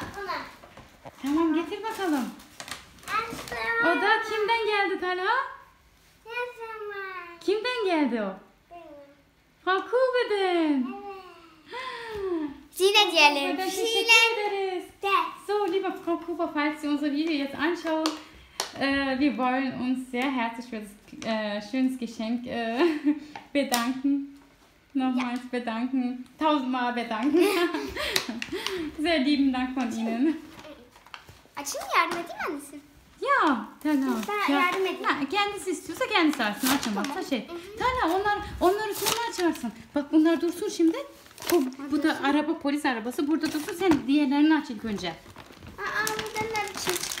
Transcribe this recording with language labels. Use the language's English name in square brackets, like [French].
[Turkish] Bunu. Tamam getir bakalım. Açtım. O da kimden geldi Tala? Yazım var. Kimden geldi o? Benim. Fakube'den. Evet. Zile diyelim. Fakube'den teşekkür ederiz. [German] So, lieber Frau Cooper, falls Sie unser Video jetzt anschauen, wir wollen uns sehr herzlich für das schönes Geschenk bedanken. Nochmals bedanken, tausendmal bedanken. Sehr lieben Dank von Ihnen. [Turkish] Açın yardım edeyim annesi. Ya, Tala. Sana yardım edeyim. Ha, kendisi istiyorsa kendisi açsın, açamaz. Tamam. Şey. Tala, onları sonra açarsın. Bak bunlar dursun şimdi. Bu da araba polis arabası. Burada dursun. Sen diğerlerini aç ilk önce. Aa, burada ne bir şey?